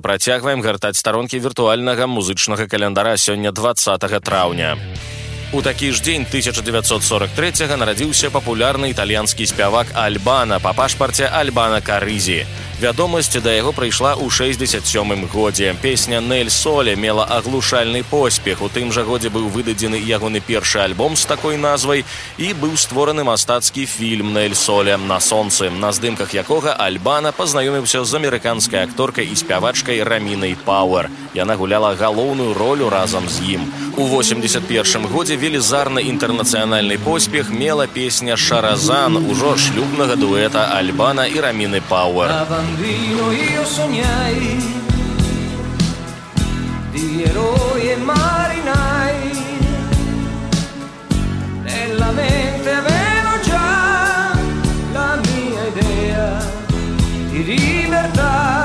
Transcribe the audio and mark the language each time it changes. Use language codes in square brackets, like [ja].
[be] Працягваем гартаць старонкі віртуальнага музычнага календара сёння 20 траўня. У такі ж дзень 1943-го нарадзіўся папулярны італьянскі спявак Альбана па пашпарце Альбана Карызі. Вядомасць да яго прыйшла ў 67-м годзе. Песня «Нель Соле» мела аглушальны поспех. У тым жа годзе быў выдадзены ягоны першы альбом з такой назвай і быў створаны мастацкі фільм «Нель Соле» на сонцы, на здымках якога Альбана пазнаёміўся з амерыканскай акторкай і спявачкай Рамінай Пауэр. Яна гуляла галоўную ролю разам з ім. У 81-м годзе велізарны інтэрнацыянальны поспех мела песня «Шаразан» ўжо шлюбнага дуэта Альбана і Раміны Пауэр. [it] Bambino io sognai di eroi e marinai, nella mente avevo già la mia idea di libertà.